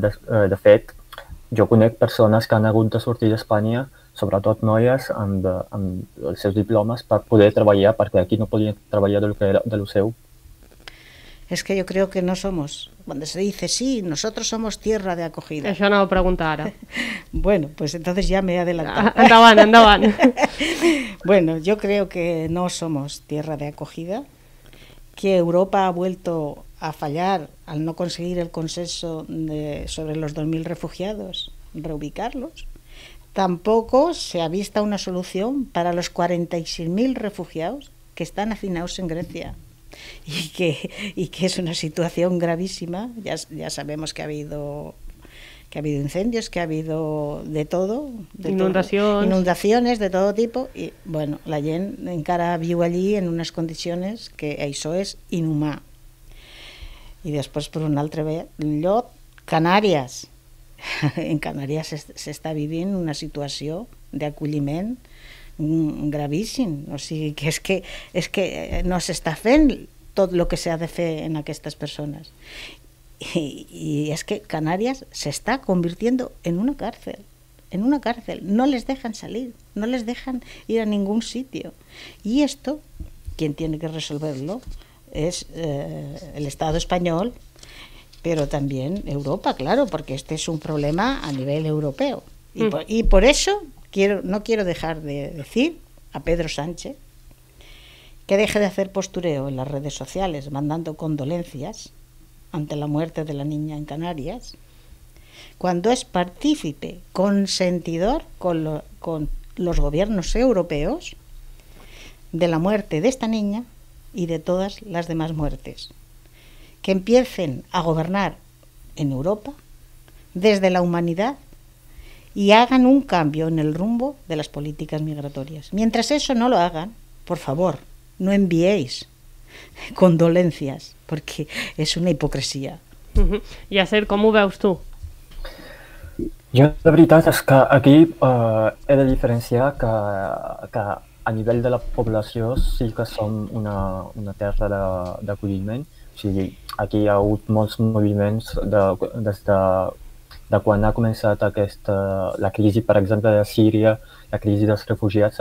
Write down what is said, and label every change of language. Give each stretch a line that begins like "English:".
Catalan: De fet, jo conec persones que han hagut de sortir d'Espanya, sobretot noies amb els seus diplomes, per poder treballar, perquè aquí no podien treballar del que era de lo seu.
Spanish: Es que yo creo que no somos, cuando se dice sí, nosotros somos tierra de acogida. Eso no lo pregunto ahora. Bueno, pues entonces ya me he adelantado. Andaban. Bueno, yo creo que no somos tierra de acogida, que Europa ha vuelto a fallar al no conseguir el consenso sobre los 2.000 refugiados, reubicarlos. Tampoco se ha visto una solución para los 46.000 refugiados que están hacinados en Grecia y que es una situación gravísima. Ya sabemos que ha habido incendios, que ha habido de todo. Inundaciones de todo tipo. Y bueno,
Catalan: la gent encara viu allí en unes condicions que això és inhumà. I després, per un altre lloc, Canàries. En Canàries s'està vivint una situació d'acolliment gravíssim. O sigui, que és que no s'està fent tot el que s'ha de fer en aquestes persones. I és que Canàries s'està convertint en una càrcel. En una càrcel. No les deixen salir. No les deixen
Spanish: ir a ningú sitio. I esto, qui en tiene que resolverlo,
Catalan: és l'Estat espanyol,
Spanish: pero también Europa, claro, porque este es un problema a nivel europeo. Y por eso no quiero dejar de decir a Pedro Sánchez que deje de hacer postureo en las redes sociales mandando condolencias ante la muerte de la niña en Canarias, cuando es partícipe consentidor con los gobiernos europeos de la muerte de esta niña y de todas las demás muertes. Que empiecen a gobernar en Europa desde la humanidad y hagan un cambio en el rumbo de las políticas migratorias. Mientras eso no lo hagan, por favor, no enviéis condolencias, porque es una hipocresía.
Catalan: I a ser, com ho veus tu? Jo, la veritat és que aquí he de diferenciar que a nivell de la població sí que som una terra d'acolliment. O sigui, aquí hi ha hagut molts moviments des de quan ha començat la crisi, per exemple, de Síria, la crisi dels refugiats.